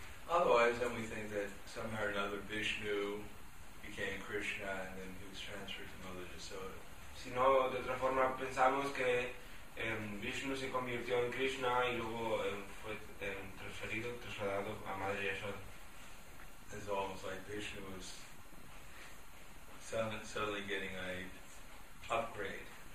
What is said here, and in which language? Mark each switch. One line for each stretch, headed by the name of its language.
English: Otherwise, then we think that somehow or another Vishnu became Krishna and then he was transferred to Mother Yasoda.
Spanish: Si no, de otra forma pensamos que Vishnu se convirtió en Krishna y luego fue trasladado a Madre Yasoda.
English: It's almost like Vishnu was suddenly getting an upgrade.